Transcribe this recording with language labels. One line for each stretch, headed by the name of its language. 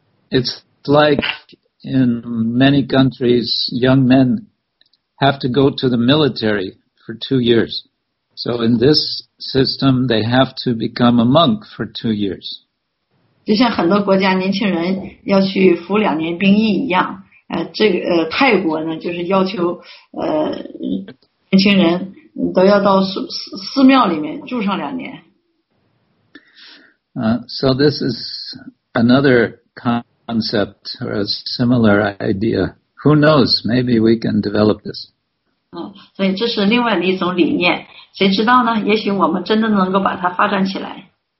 English: It's like in many countries, young men have to go to the military for 2 years. So in this system, they have to become a monk for 2 years.
Chinese: 就像很多国家年轻人要去服两年兵役一样，这个泰国呢，就是要求年轻人都要到寺庙里面住上两年。
English: So this is another concept or a similar idea. Who knows? Maybe we can develop this.
Chinese: 所以这是另外的一种理念。谁知道呢？也许我们真的能够把它发展起来。